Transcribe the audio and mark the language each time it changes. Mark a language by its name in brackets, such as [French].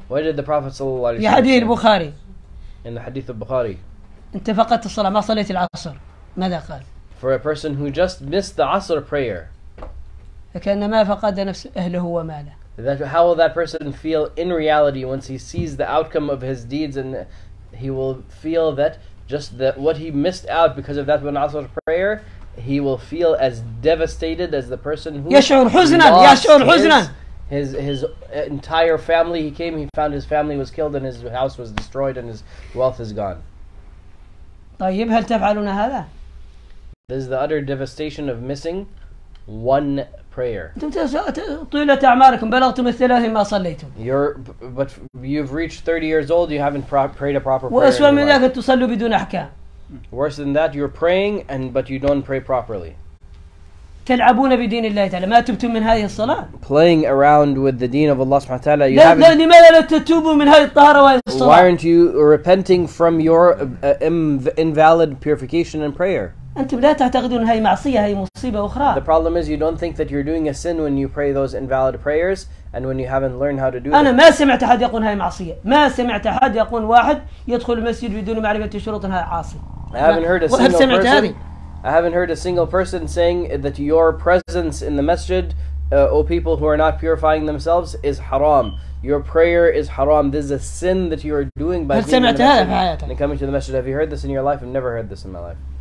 [English] what did the Prophet صلى الله عليه وسلم [Arabic] في حديث البخاري [English] in the hadith of Bukhari [Arabic] انت فقدت الصلاة ما صليت العصر ماذا قال [English] for a person who just missed the عصر prayer [Arabic] كأنما فقد نفس أهله وماله [English] that how will that person feel in reality once he sees the outcome of his deeds and he will feel that just that what he missed out because of that one عصر prayer he will feel as devastated as the person who [Arabic] يشعر حزنا يشعر حزنا [English] His entire family he came he found his family was killed and his house was destroyed and his wealth is gone [Arabic] طيب هل تفعلون هذا؟ [English] This is the utter devastation of missing one prayer. [Arabic] طيلة أعماركم بلغتم الثلاثين ما صليتم. [English] But you've reached 30 years old, you haven't prayed a proper prayer. [Arabic] وأسوأ من ذلك تصلوا بدون أحكام. [English] Worse than that, you're praying and but you don't pray properly. [Arabic] تلعبون بدين الله تعالى ما تبتم من هذه الصلاة. [English] Playing around with the deen of Allah سبحانه وتعالى. [Arabic] لماذا لا تتوبوا من هذه الطهارة وهذه الصلاة؟ [English] Why aren't you repenting from your invalid purification and prayer? [Arabic] أنتم لا تعتقدون هذه معصية هذه مصيبة أخرى. [English] The problem is you don't think that you're doing a sin when you pray those invalid prayers and when you haven't learned how to do. [Arabic] أنا ما سمعت أحد يقول هذه معصية. ما سمعت أحد يقول واحد يدخل المسجد بدون معرفة شروط هذا عاصي. [English] I haven't heard a single person. I haven't heard a single person saying that your presence in the masjid, O people who are not purifying themselves, is haram. Your prayer is haram. This is a sin that you are doing by being in the masjid and coming to the masjid. Have you heard this in your life? I've never heard this in my life.